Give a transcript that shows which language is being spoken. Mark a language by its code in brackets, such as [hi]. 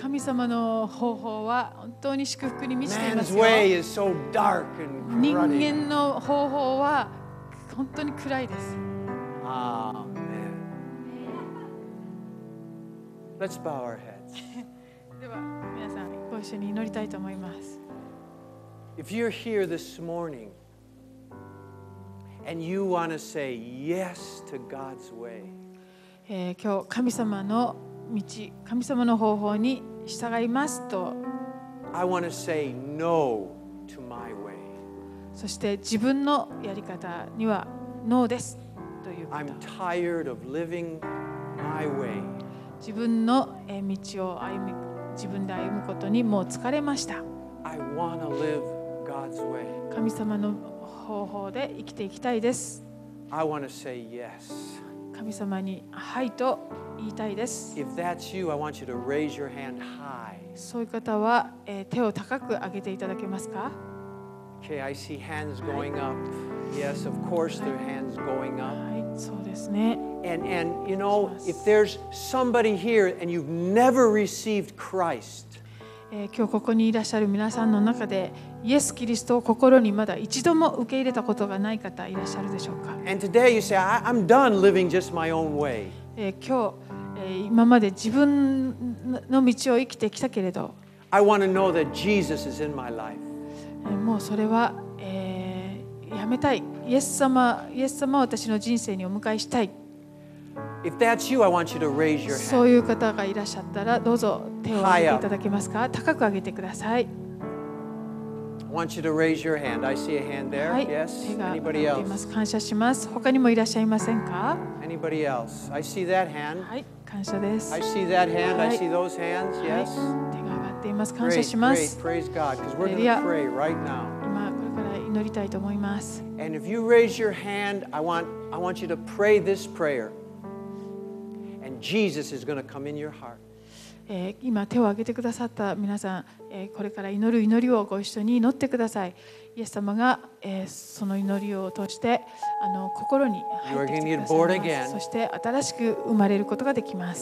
[ja] 神様の方法は本当に祝福に満ちていますよ。 [en] Man's way is so dark and cruddy. [ja] 人間の方法は本当に暗いです。 [en] Amen. Let's bow our heads. [ja] では皆さん。一緒に祈りたいと思います。 [en] If you're here this morning and you want to say yes to God's way, [ja] 今日神様の道、神様の方法に従いますと、 [en] I want to say no to my way. [ja] そして自分のやり方にはノーですということ。 [en] I'm tired of living my way. [ja] 自分の道を歩む。自分で歩むことにもう疲れました。 [en] I wanna live God's way. God's way. [ja] 神様の方法で生きていきたいです。 [en] I want to say yes. [ja] 神様にはいと言いたいです。 [en] If that's you, I want you to raise your hand high. [ja] そういう方は、手を高く上げていただけますか？ [en] Okay, I see hands going up. Yes, of course, their hands going up. [ja] はい、そうですね。 [en] And you know, if there's somebody here and you've never received Christ. [ja] 今日ここにいらっしゃる皆さんの中で、イエス・キリストを心にまだ一度も受け入れたことがない方いらっしゃるでしょうか。 [en] And today you say, I'm done living just my own way. [ja] 今日、今まで自分の道を生きてきたけれど。 [en] I want to know that Jesus is in my life. [ja] もうそれは、やめたい。イエス様を私の人生にお迎えしたい。 [en] If that's you, I want you to raise your hand. [ja] そういう方がいらっしゃったらどうぞ手を挙げていただけますか。高く上げてください。 [en] I want you to raise your hand. I see a hand there. Yes. Anybody else? [ja] 感謝します。他にもいらっしゃいませんか。 [en] Anybody else? I see that hand. [ja] はい、感謝です。 [en] I see that hand. I see those hands. Yes. [ja] 手が上がっています。感謝します。 [en] Great. Praise God. Because we're going to pray right now. [ja] 今これから祈りたいと思います。 [en] And if you raise your hand, I want you to pray this prayer. Jesus is going to come in your heart. [ja] 今手を挙げてくださった皆さん、これから祈る祈りをご一緒に祈ってください。イエス様が、その祈りを通して、心に入ってきてください。 [en] You are going to get born again. [ja] そして新しく生まれることができます。